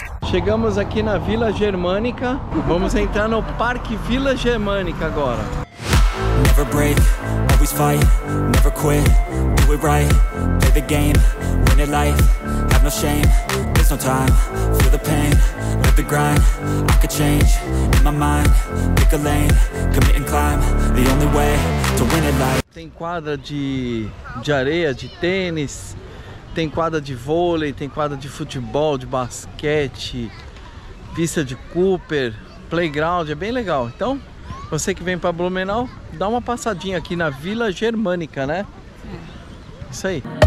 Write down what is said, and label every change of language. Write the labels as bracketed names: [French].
[Portuguese] Chegamos aqui na Vila Germânica. Vamos entrar no Parque Vila Germânica agora. [English] Never break, always fight, never quit, do it right, play the game, win it life, have no shame, there's no time, feel the pain, live the grind, I could change, in my mind, pick a lane, commit and climb, the only way to win it life. [Portuguese] Tem quadra de areia, de tênis. Tem quadra de vôlei, tem quadra de futebol, de basquete, pista de Cooper, playground, é bem legal. Então, você que vem para Blumenau, dá uma passadinha aqui na Vila Germânica, né? Isso aí.